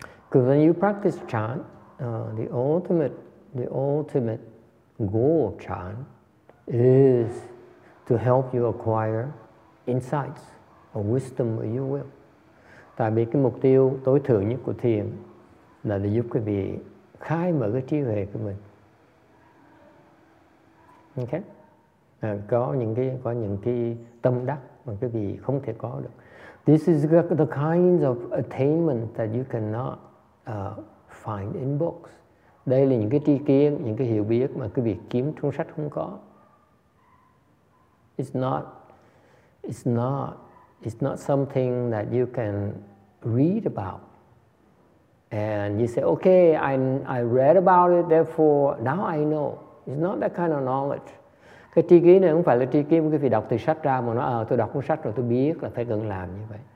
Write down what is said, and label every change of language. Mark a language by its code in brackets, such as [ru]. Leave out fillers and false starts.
[en] Because when you practice chan, the ultimate goal of chan is to help you acquire insights or wisdom if you will. [vi] Tại vì cái mục tiêu tối thượng nhất của thiền là để giúp quý vị khai mở cái trí huệ của mình. Okay. Có những cái tâm đắc mà quý vị không thể có được. [en] This is the kinds of attainment that you cannot find in books. [vi] Đây là những cái tri kiến, những cái hiểu biết mà quý vị kiếm trong sách không có. [en] It's not something that you can read about. And you say, okay, I read about it, therefore now I know. It's not that kind of knowledge. [vi] Cái tri kiến này không phải là tri kiến quý vị đọc từ sách ra mà nó tôi đọc cuốn sách rồi tôi biết là phải cần làm như vậy.